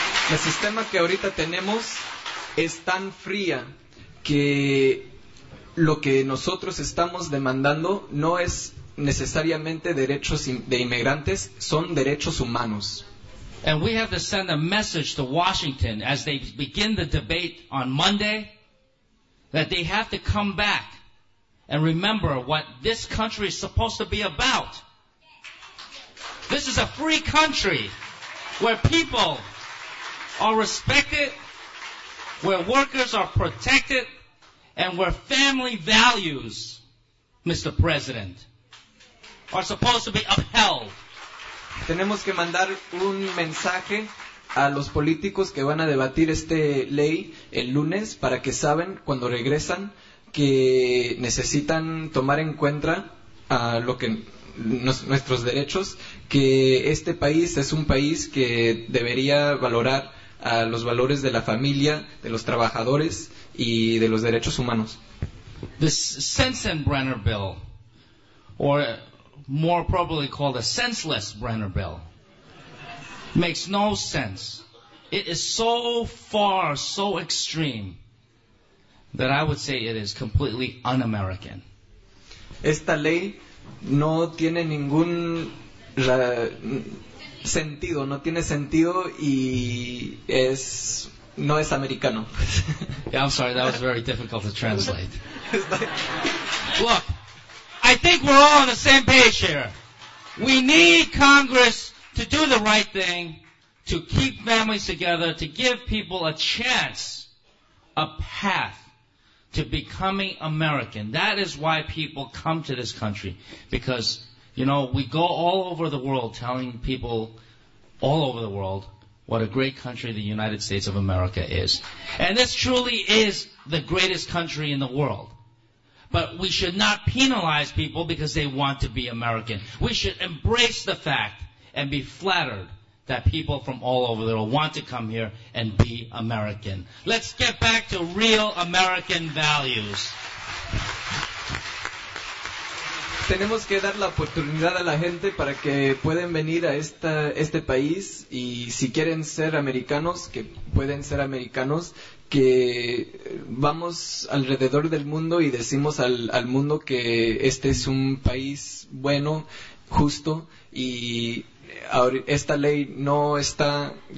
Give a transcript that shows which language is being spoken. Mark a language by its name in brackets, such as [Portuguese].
[Spanish] El sistema que ahorita tenemos es tan fría que lo que nosotros estamos demandando no es necesariamente derechos de inmigrantes, son derechos humanos. [English] And we have to send a message to Washington as they begin the debate on Monday that they have to come back and remember what this country is supposed to be about. This is a free country where people are respected, where workers are protected, and where family values, Mr. President, are supposed to be upheld. [Spanish] Tenemos que mandar un mensaje a los políticos que van a debatir esta ley el lunes para que saben cuando regresan que necesitan tomar en cuenta nuestros derechos, que este país es un país que debería valorar a los valores de la familia, de los trabajadores y de los derechos humanos. [English] The Sensenbrenner Bill, or more probably called a senseless Brenner bill, makes no sense. It is so far, so extreme, that I would say it is completely un-American. [Spanish] Esta ley no tiene ningún sentido, no tiene sentido y no es americano. [English] Yeah, I'm sorry, that was very difficult to translate. Look, I think we're all on the same page here. We need Congress to do the right thing, to keep families together, to give people a chance, a path to becoming American. That is why people come to this country. Because, you know, we go all over the world telling people all over the world what a great country the United States of America is. And this truly is the greatest country in the world. But we should not penalize people because they want to be American. We should embrace the fact and be flattered that people from all over the world want to come here and be American. Let's get back to real American values. [Spanish] tenemos que dar la oportunidad a la gente para que puedan venir a este país, y si quieren ser americanos, que pueden ser americanos, que vamos alrededor del mundo y decimos al mundo que este es un país bueno, justo, y esta ley no está